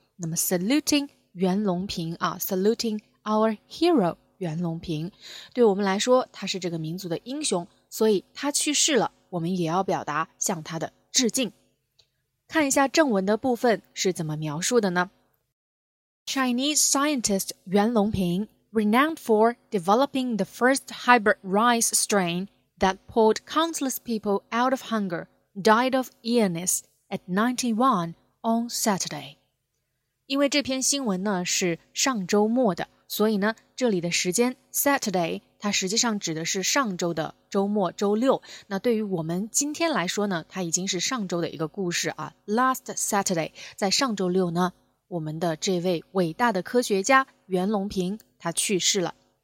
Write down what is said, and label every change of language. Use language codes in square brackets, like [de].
[zh] 那么 saluting 袁隆平啊， [en] saluting our hero [zh] 袁隆平，对我们来说他是这个民族的英雄，所以他去世了，我们也要表达向他的致敬。看一下正文的部分是怎么描述的呢？ [en] Chinese scientist 袁隆平, renowned for developing the first hybrid rice strain that pulled countless people out of hunger, died of illness at 91 on Saturday. [zh] 因为这篇新闻呢是上周末的，所以呢这里的时间 Saturday 它实际上指的是上周的周末周六，那对于我们今天来说呢，它已经是上周的一个故事啊。 [en] Last Saturday [zh] 在上周六呢，我们的这位伟大的科学家袁隆平他去世了。